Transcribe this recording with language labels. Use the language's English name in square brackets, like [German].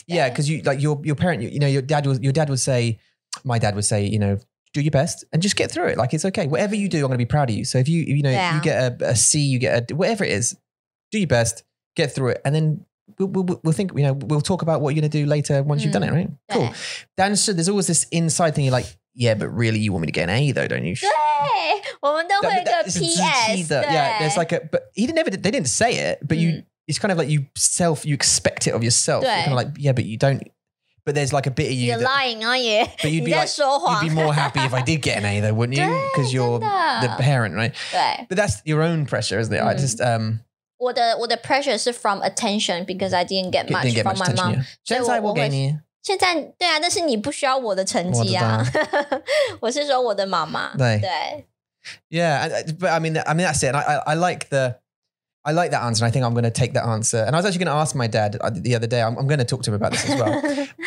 [English] that, yeah because you like your parent you know my dad would say you know do your best and just get through it like it's okay whatever you do I'm gonna be proud of you so if you know yeah. you get a C you get a whatever it is do your best get through it and then we'll think you know we'll talk about what you're gonna do later once you've done it right cool Dan so there's always this inside thing you're like yeah but really you want me to get an A though don't you [Chinese] 对我们都会有一个 PS 对 [English] Yeah, there's like a, but he never, they didn't say it, but you, it's kind of like you self, you expect it of yourself. You're kind of like, yeah, but you don't, but there's like a bit of you. You're lying, aren't you? But you'd be like, you'd be more happy if I did get an A though, wouldn't you? Because you're the parent, right? [Chinese] 对 [English] But that's your own pressure, isn't it? I just, [Chinese] 我的 [English] pressure is from attention because I didn't get much from my mom. [Chinese] 现在我给你。现在对啊，但是你不需要我的成绩啊。我是说我的妈妈。对。对。 [English] Yeah, but I mean, that's it. I like that answer. And I think I'm going to take that answer. And I was actually going to ask my dad the other day. I'm going to talk to him about this as well.